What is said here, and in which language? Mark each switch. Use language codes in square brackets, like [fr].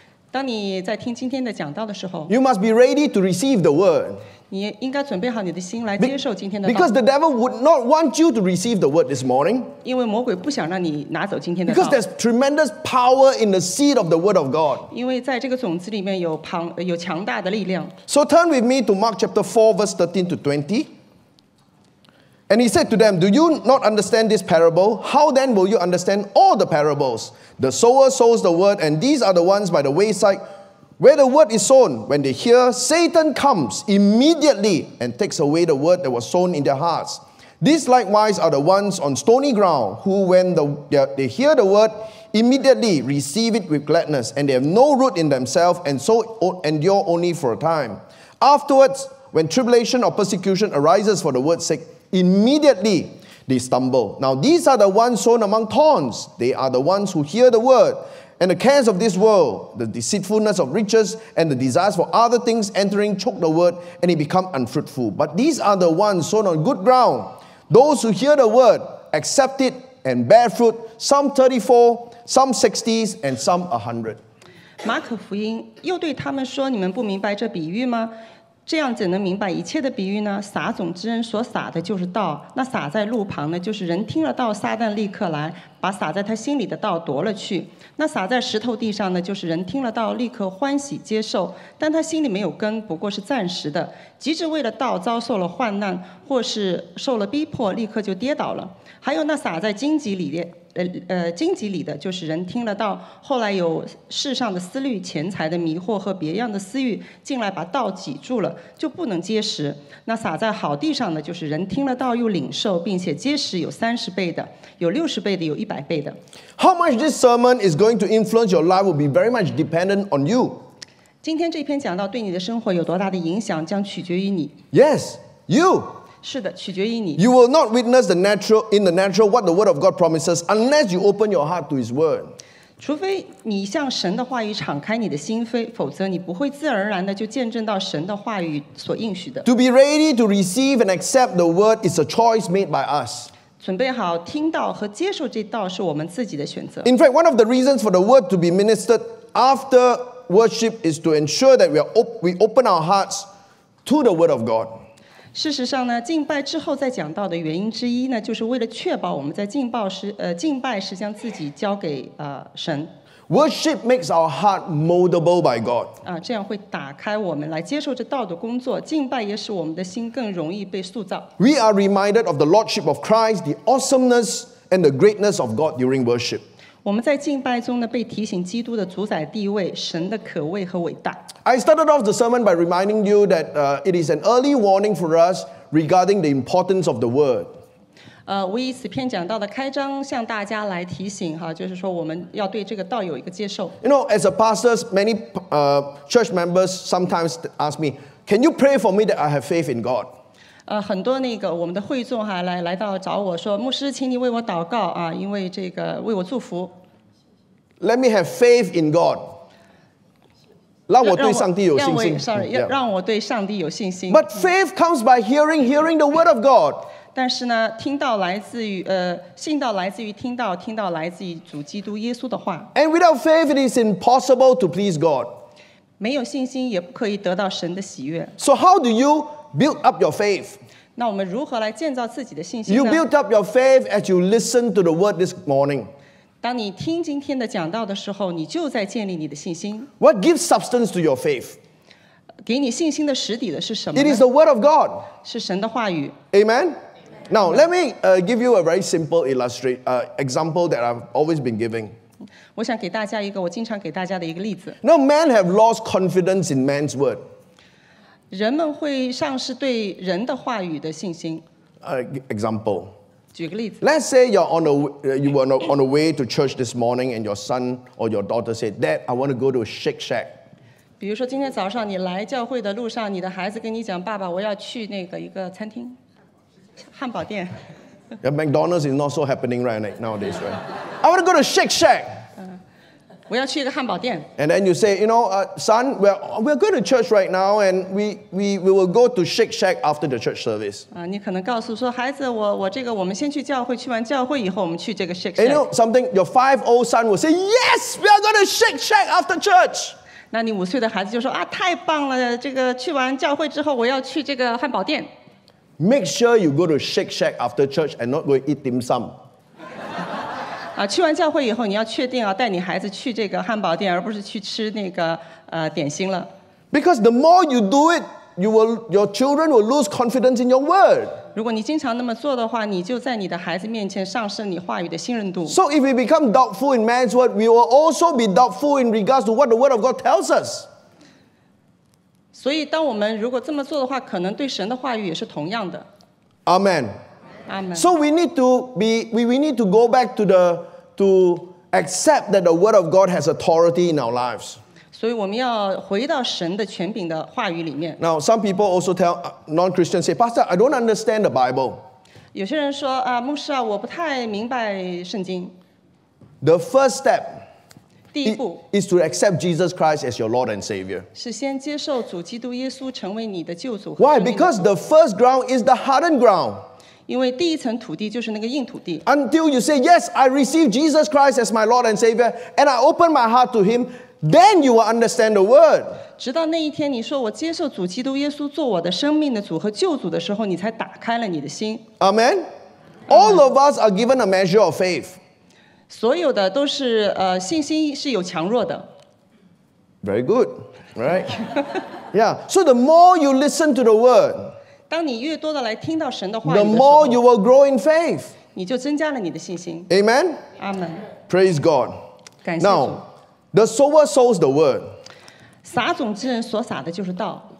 [zh] 当你在听今天的讲道的时候， [en] you must be ready to receive the word. [zh] 你应该准备好你的心来接受今天的道。 [en] Because the devil would not want you to receive the word this morning. [zh] 因为魔鬼不想让你拿走今天的道。 [en] Because there's tremendous power in the seed of the word of God. [zh] 因为在这个种子里面有强大的力量。 [en] So turn with me to Mark chapter 4 verse 13 to 20. And he said to them, Do you not understand this parable? How then will you understand all the parables? The sower sows the word, and these are the ones by the wayside where the word is sown. When they hear, Satan comes immediately and takes away the word that was sown in their hearts. These likewise are the ones on stony ground, who when they hear the word, immediately receive it with gladness, and they have no root in themselves, and so endure only for a time. Afterwards, when tribulation or persecution arises for the word's sake,Immediately they stumble. Now these are the ones sown among thorns. They are the ones who hear the word. And the cares of this world, the deceitfulness of riches, and the desires for other things entering choke the word, and it becomes unfruitful. But these are the ones sown on good ground. Those who hear the word, accept it, and bear fruit, some 34, some 60, and some 100. [zh] 马可福音又对他们说，你们不明白这比喻吗？这样怎能明白一切的比喻呢？撒种之人所撒的就是道，那撒在路旁的，就是人听了道，撒旦立刻来，把撒在他心里的道夺了去。那撒在石头地上的，就是人听了道，立刻欢喜接受，但他心里没有根，不过是暂时的。即使为了道遭受了患难，或是受了逼迫，立刻就跌倒了。还有那撒在荆棘里的，荆棘里的，就是人听了道，后来有世上的思虑、钱财的迷惑和别样的私欲进来，把道挤住了，就不能结实。那撒在好地上的，就是人听了道又领受，并且结实，有30倍的，有60倍的，有100倍的。 [en] How much this sermon is going to influence your life will be very much dependent on you. [zh] 今天这篇讲到对你的生活有多大的影响，将取决于你。 [en] Yes, you. [zh] 是的，取决于你。 [en] You will not witness in the natural what the word of God promises unless you open your heart to His word. [zh] 除非你向神的话语敞开你的心扉，否则你不会自然而然的就见证到神的话语所应许的。 [en] To be ready to receive and accept the word is a choice made by us. [zh] 准备好听到和接受这道是我们自己的选择。 [en] In fact, one of the reasons for the word to be ministered after worship is to ensure that we open our hearts to the word of God. [zh] 事实上呢，敬拜之后再讲到的原因之一呢，就是为了确保我们在敬拜时将自己交给神。 [en] Worship makes our heart moldable by God. [zh] 啊，这样会打开我们来接受这道的工作。敬拜也使我们的心更容易被塑造。 [en] We are reminded of the lordship of Christ, the awesomeness and the greatness of God during worship. [zh] 我们在敬拜中呢，被提醒基督的主宰地位、神的可畏和伟大。 [en] I started off the sermon by reminding you that it is an early warning for us regarding the importance of the word. [zh] 我以此篇讲到的开章向大家来提醒哈，就是说我们要对这个道有一个接受。 [en] You know, as a pastor, many church members sometimes ask me, "Can you pray for me that I have faith in God?" [zh] 很多那个我们的会众哈来到找我说，牧师，请你为我祷告啊，因为这个为我祝福。 [en] Let me have faith in God. [zh] 让我对上帝有信心。让我对上帝有信心。 [en] But faith comes by hearing the word of God. [zh] 但是呢，听道来自于信道来自于听道，听道来自于主基督耶稣的话。 [en] And without faith, it is impossible to please God. [zh] 没有信心也不可以得到神的喜悦。 [en] So how do you build up your faith? [zh] 那我们如何来建造自己的信心呢 [en] ？You build up your faith as you listen to the word this morning. [zh] 当你听今天的讲道的时候，你就在建立你的信心。 [en] What gives substance to your faith? [zh] 给你信心的实底的是什么呢 [en] ？It is the word of God. [zh] 是神的话语。 [en] Amen. Now let me give you a very simple example that I've always been giving. [zh] 我想给大家一个我经常给大家的一个例子。 [en] Now men have lost confidence in man's word. [zh] 人们会丧失对人的话语的信心。 [en] Example. Let's say you were on the way to church this morning, and your son or your daughter said, "Dad, I want to go to Shake Shack." [zh] 比如说今天早上你来教会的路上，你的孩子跟你讲，爸爸，我要去那个一个餐厅，汉堡店。 [en] Yeah, McDonald's is not so happening right nowadays, right? I want to go to Shake Shack. [zh] 我要去一个汉堡店。 [en] And then you say, you know, son, we're going to church right now, and we will go to Shake Shack after the church service. [zh] 你可能告诉说，孩子，我这个，我们先去教会，去完教会以后，我们去这个 Shake Shack. [en] You know something? Your 5-year-old son will say, "Yes, we are going to Shake Shack after church." [zh] 那你五岁的孩子就说啊，太棒了！这个去完教会之后，我要去这个汉堡店。 [en] Make sure you go to Shake Shack after church and not go eat dim sum. [zh] 去完教会以后，你要确定啊，带你孩子去这个汉堡店，而不是去吃那个点心了。 [en] Because the more you do it, your children will lose confidence in your word. [zh] 如果你经常那么做的话，你就在你的孩子面前丧失你话语的信任度。 [en] So if we become doubtful in man's word, we will also be doubtful in regards to what the word of God tells us. [zh] 所以，当我们如果这么做的话，可能对神的话语也是同样的。 [en] Amen. So we need to go back to accept that the word of God has authority in our lives. [zh] 所以我们要回到神的权柄的话语里面。 [en] Now some people also tell non-Christians say, "Pastor, I don't understand the Bible." [zh] 有些人说啊，牧师啊，我不太明白圣经。 [en] The first step, [zh] 第一步 [en] is to accept Jesus Christ as your Lord and Savior. [zh] 是先接受主基督耶稣成为你的救主。 [en] Why? Because the first ground is the hardened ground. Until you say, yes, I receive Jesus Christ as my Lord and Savior, and I open my heart to Him, then you will understand the word. [zh] 直到那一天你说我接受主基督耶稣做我的生命的主和救主的时候, 你才打开了你的心。 [en] Amen. All of us are given a measure of faith. [zh] 所有的都是, 信心是有强弱的。 [en] Very good, right? Yeah, so the more you listen to the word, [zh] 当你越多的来听到神的话语的时候, [en] the more you will grow in faith. [zh] 你就增加了你的信心。 [en] Amen? Amen. Praise God. [zh] 感谢主。 [en] Now, the sower sows the word. [zh] 撒种之人所撒的就是道。